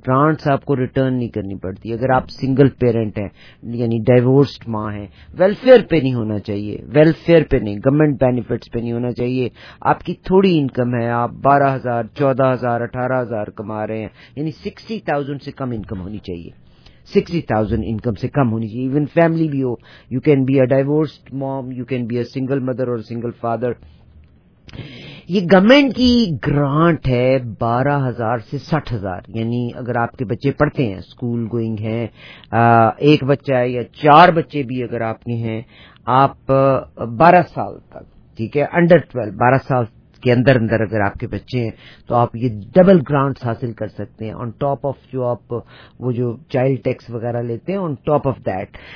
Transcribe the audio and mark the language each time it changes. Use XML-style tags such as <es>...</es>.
<ur>Grants آپ کو return نہیں کرنی پڑتی. اگر آپ سنگل پیرنٹ ہیں, یعنی ڈائیورسڈ ماں ہیں, ویلفیئر پہ نہیں ہونا چاہیے, ویلفیئر پہ نہیں, گورنمنٹ بینیفٹس پہ نہیں ہونا چاہیے. آپ کی تھوڑی انکم ہے, آپ 12,000, 14,000, 18,000 کما رہے ہیں, یعنی 60,000 سے کم انکم ہونی چاہیے, 60,000 انکم سے کم ہونی چاہیے. ایون فیملی بھی ہو,</ur> <en>You can be a divorced mom, you can be a single mother اور single father.</en> <ur>یہ گورنمنٹ کی گرانٹ ہے 12,000 سے 60,000, یعنی اگر آپ کے بچے پڑھتے ہیں, سکول گوئنگ ہیں, ایک بچہ ہے یا چار بچے بھی اگر آپ کے ہیں, آپ 12 سال تک, ٹھیک ہے, انڈر 12, 12 سال کے اندر اگر آپ کے بچے ہیں, تو آپ یہ ڈبل گرانٹس حاصل کر سکتے ہیں, آن ٹاپ آف جو آپ وہ جو چائلڈ ٹیکس وغیرہ لیتے ہیں,</ur> <en>On top of that.</en>